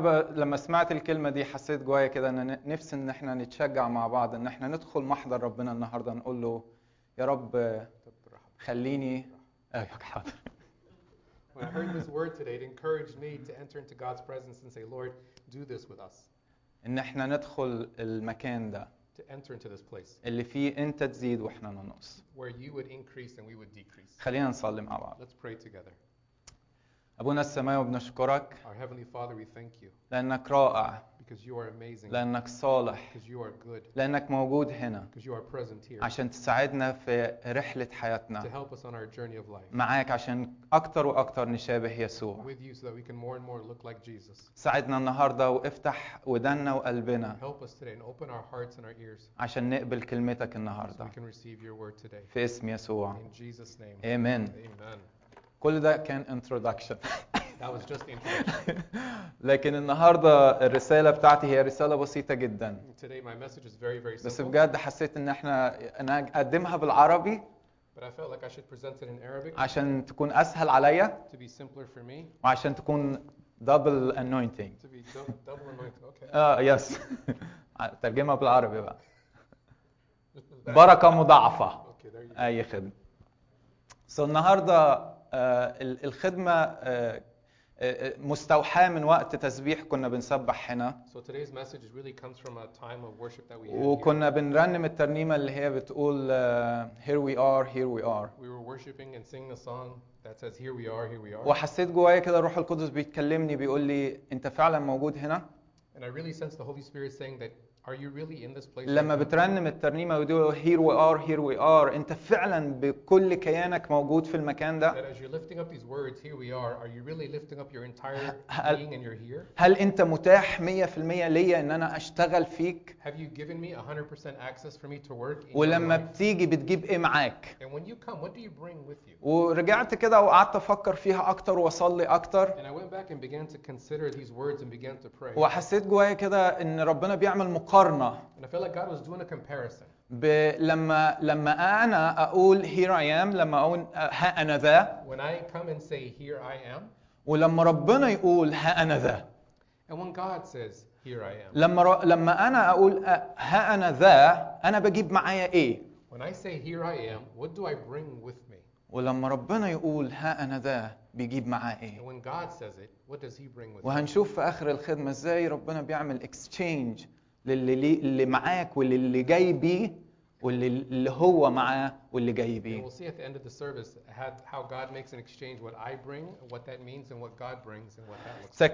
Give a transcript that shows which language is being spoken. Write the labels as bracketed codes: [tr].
[ar] لما سمعت الكلمة دي حسيت جوايا كده أن نفسي أن احنا نتشجع مع بعض أن احنا ندخل محضر ربنا النهاردة نقول له يا رب خليني [en] When I heard this word today, it encouraged me to enter into God's presence and say, Lord, do this with us. [ar] إن احنا ندخل المكان ده. [en] To enter into this place. [ar] اللي فيه أنت تزيد وإحنا ننقص. [en] Where you would increase and we would decrease. [ar] خلينا نصلي مع بعض. [en] Let's pray together. [ar] أبونا السماوي بنشكرك. [en] Our Heavenly Father, we thank you. [ar] لأنك رائع. [en] Because you are amazing. [ar] لأنك صالح. [en] Because you are good. [ar] لأنك موجود هنا. [en] Because you are present here. [ar] عشان تساعدنا في رحلة حياتنا. [en] To help us on our journey of life. [ar] معاك عشان أكتر وأكتر نشابه يسوع. [en] With you so that we can more and more look like Jesus. [ar] ساعدنا النهاردة وافتح ودننا وقلبنا. [en] Help us today and open our hearts and our ears. [ar] عشان نقبل كلمتك النهاردة. [en] So we can receive your word today. [ar] في اسم يسوع. [en] In Jesus' name. Amen. Amen. [ar] كل ده كان introduction. [en] That was just the introduction. [ar] لكن النهاردة الرسالة بتاعتي هي رسالة بسيطة جدا. [en] Today my message is very very simple. [ar] بس بجد حسيت إن إحنا أنا أقدمها بالعربي. [en] But I felt like I should present it in Arabic. [ar] عشان تكون أسهل عليا. [en] To be simpler for me. [ar] وعشان تكون [en] double anointing. To be double anointing. Okay. [ar] Yes. ترجمها بالعربي بقى. بركة مضاعفة. [en] Okay, there you go. [ar] أي خدمة. So النهاردة الخدمة مستوحى من وقت تسبيح كنا بنسبح هنا. [en] So today's message really comes from a time of worship that we had. [ar] وكنا بنرنم الترنيمة اللي هي بتقول [en] here we are, here we are. We were worshiping and singing a song that says here we are, here we are. [ar] وحسيت جوايا كده الروح القدس بيتكلمني بيقول لي انت فعلا موجود هنا. [en] And I really sensed the Holy Spirit saying that are you really in this place? [ar] لما بترنم الترنيمة وتقول [en] here we are, here we are, [ar] انت فعلا بكل كيانك موجود في المكان ده. [en] That as you're lifting up these words here we are, are you really lifting up your entire being and you're here? [ar] هل انت متاح 100% ليا ان انا اشتغل فيك؟ [en] Have you given me 100% access for me to work in? [ar] ولما بتيجي بتجيب ايه معاك؟ [en] And when you come, what do you bring with you? [ar] ورجعت كده وقعدت افكر فيها اكتر واصلي اكتر. [en] And I went back and began to consider these words and began to pray. [ar] وحسيت جوايا كده ان ربنا بيعمل مقارنة. [en] And I feel like God was doing a comparison. [ar] لما أنا أقول [en] here I am, [ar] لما أقول ها أنا ذا. [en] When I come and say here I am. [ar] ولما ربنا يقول ها أنا ذا. [en] And when God says here I am. [ar] لما أنا أقول ها أنا ذا, أنا بجيب معايا إيه. [en] When I say here I am, what do I bring with me? [ar] ولما ربنا يقول ها أنا ذا, بيجيب معاه إيه. [en] And when God says it, what does He bring with? [ar] وهنشوف في آخر الخدمة إزاي ربنا بيعمل exchange. اللي معاك واللي جاي بيه واللي هو معاه واللي جاي بيه. [en] We'll see at the end of the service how God makes an exchange, what I bring, what that means, and what God brings, and what that looks like.